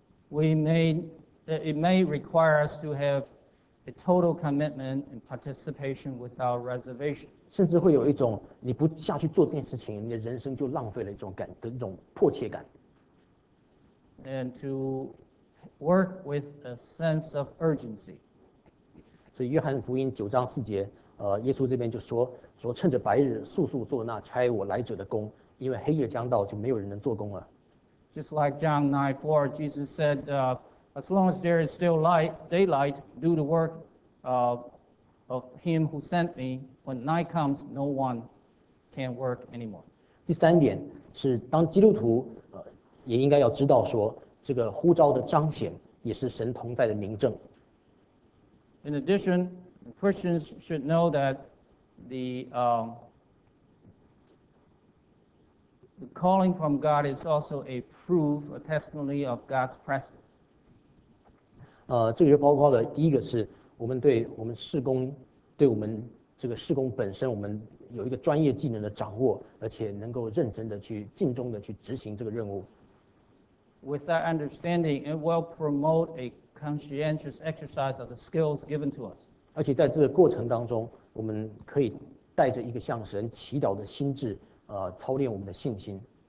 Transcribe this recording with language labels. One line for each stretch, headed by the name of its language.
English: It may require us to have a total commitment and participation without reservation.
Chinese: 甚至会有一种你不下去做这件事情，你的人生就浪费了一种迫切感。
English: And to work with a sense of urgency.
Chinese: 所以约翰福音九章四节，耶稣这边就说趁着白日速速做那差我来者的工，因为黑夜将到，就没有人能做工了。
English: Just like John 9:4, Jesus said, as long as there is still light, daylight, do the work, of him who sent me. When night comes, no one can work anymore.
Chinese: 第三点是，当基督徒，也应该要知道说，这个呼召的彰显也是神同在的明证。
English: In addition, Christians should know that the calling from God is also a proof, a testimony of God's presence.
Chinese: 这个就包括了第一个是我们对我们事工，对我们这个事工本身，我们有一个专业技能的掌握，而且能够认真的去尽忠的去执行这个任务。
English: With that understanding, it will promote a conscientious exercise of the skills given to us.
Chinese: 而且在这个过程当中，我们可以带着一个向神祈祷的心智，操练我们的信心。